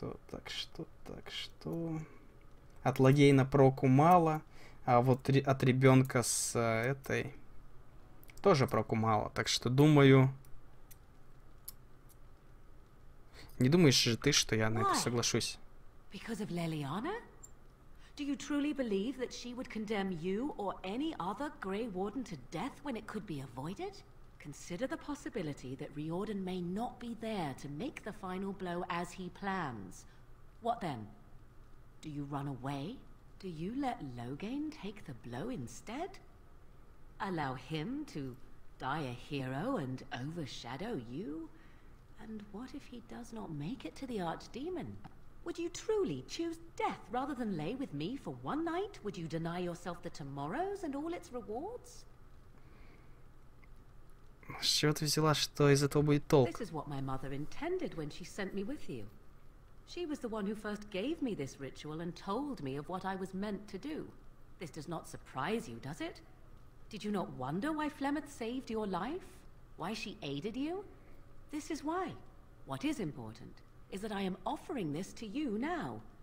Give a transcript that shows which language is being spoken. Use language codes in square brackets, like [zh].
[ru] Так что... От Лагейна проку мало. А вот от ребенка с этой тоже проку мало. Так что думаю... Не думаешь же ты, что я на это соглашусь? [en] Because of Leliana? Do you truly believe that she would condemn you or any other Grey Warden to death when it could be avoided? Consider the possibility that Riordan may not be there to make the final blow as he plans. What then? Do you run away? Do you let Loghain take the blow instead? Allow him to die a hero and overshadow you? And what if he does not make it to the Archdemon? Would you truly choose death rather than lay with me for one night? Would you deny yourself the tomorrows and all its rewards? [ru] Что ты взяла, что из этого будет толк? [en] This is what my mother intended when she sent me with you. She was the one who first gave me this ritual and told me of what I was meant to do. This does not surprise you, does it? Did you not wonder why Flemeth saved your life? Why she aided you? This is why. What is important is that I am offering this to you now.